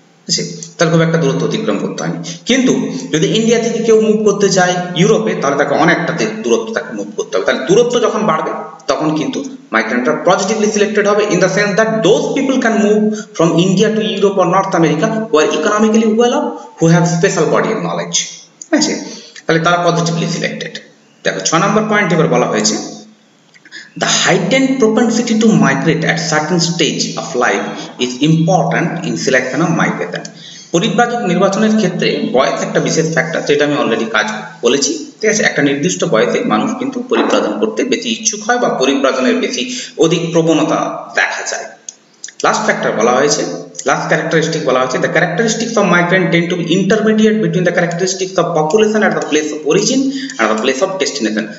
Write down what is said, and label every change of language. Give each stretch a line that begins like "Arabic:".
Bangla: ঠিক আছে, তাহলে খুব একটা দূরত্ব অতিক্রম করতে হয়নি। কিন্তু যদি ইন্ডিয়া থেকে কেউ মুভ করতে চায় ইউরোপে তাহলে তাকে অনেকটা দূরত্ব তাকে মুভ করতে হবে, তাহলে দূরত্ব যখন বাড়বে তখন কিন্তু মাইগ্রেন্টরা পজিটিভলি সিলেক্টেড হবে,
English: In the sense that those people can move from India to Europe or North America who are economically well off, who have special body of knowledge.
Bangla: ঠিক আছে, তাহলে তারা পজিটিভলি সিলেক্টেড। দেখো, ছ নম্বর পয়েন্ট এবার বলা হয়েছে,
English: The heightened propensity to migrate at certain stage of life is important in selection of migration.
Bangla: পরিব্রাজক নির্বাচনের ক্ষেত্রে বয়স একটা বিশেষ ফ্যাক্টর, যেটা আমি অলরেডি কাজ বলেছি। ঠিক আছে, একটা নির্দিষ্ট বয়সে মানুষ কিন্তু পরিব্রাজন করতে বেশি ইচ্ছুক হয় বা পরিব্রাজনের বেশি অধিক প্রবণতা দেখা যায়। লাস্ট ফ্যাক্টর বলা হয়েছে,
English: Last characteristic বলা হয়েছে, the characteristics of migrant tend to be intermediate between the characteristics of population at the place of origin and the place of destination.